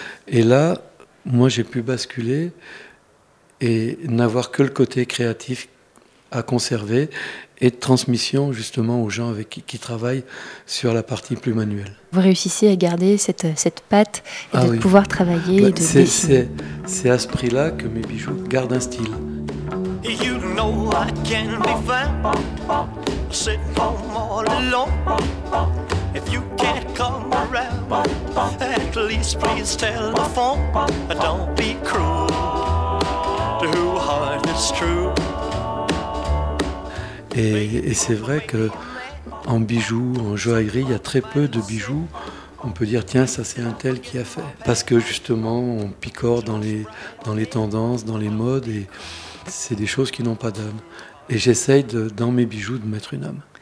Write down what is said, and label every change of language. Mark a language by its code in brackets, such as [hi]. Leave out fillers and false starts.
[fr] Et là, moi, j'ai pu basculer et n'avoir que le côté créatif à conserver et de transmission justement aux gens avec qui travaillent sur la partie plus manuelle. Vous réussissez à garder cette patte et de pouvoir travailler. Bah, et c'est à ce prix-là que mes bijoux gardent un style. [en] You know I can be found sitting home all alone. If you can't come around, at least please telephone. Don't be cruel to who heart is true. [fr] Et c'est vrai qu'en bijoux, en joaillerie, il y a très peu de bijoux. On peut dire, tiens, ça c'est un tel qui a fait. Parce que justement, on picore dans les tendances, dans les modes, et c'est des choses qui n'ont pas d'âme. Et j'essaye, dans mes bijoux, de mettre une âme.